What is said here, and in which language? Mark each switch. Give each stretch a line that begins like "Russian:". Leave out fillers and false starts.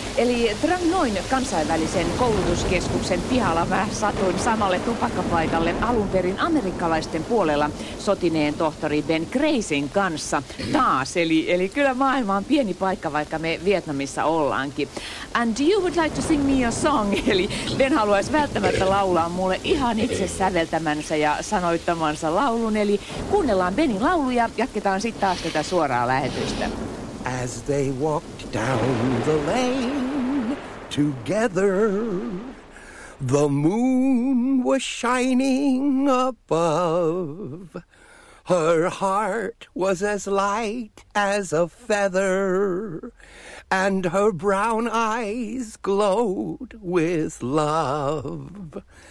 Finnish: Eli Trangnoin kansainvälisen koulutuskeskuksen pihalla mä satuin samalle tupakkapaikalle alun perin amerikkalaisten puolella sotineen tohtori Ben Crazyn kanssa taas. Eli kyllä maailma on pieni paikka, vaikka me Vietnamissa ollaankin.
English: And you would like to sing me a song.
Finnish: Eli Ben haluaisi välttämättä laulaa mulle ihan itse säveltämänsä ja sanoittamansa laulun. Eli kuunnellaan Benin laulu ja jatketaan sitten taas tätä suoraa lähetystä.
English: As they walked down the lane together, the moon was shining above. Her heart was as light as a feather, and her brown eyes glowed with love.